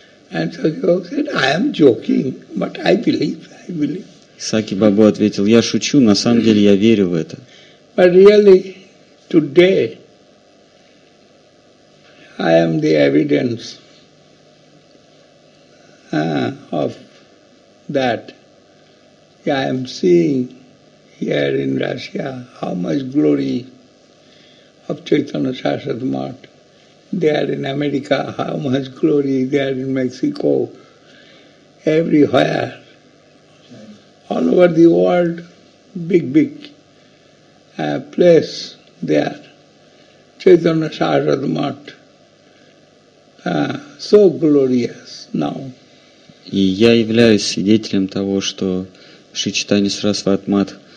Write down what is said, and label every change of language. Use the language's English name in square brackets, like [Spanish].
[English] And Saki Babu said, I am joking, but I believe. [Russian] Саки Бабу ответил, я шучу, на самом деле я верю в это. [English] But really, today, I am the evidence of that. I am seeing here in Russia how much glory of Chaitanya Sarasvati Mart. They are in America, how much glory they are in Mexico, everywhere, all over the world, big place there, Chaitanya Sarasvati Mart, so glorious now. [Russian] И я являюсь свидетелем того, что Шри Чайтанья Сарасвати Мат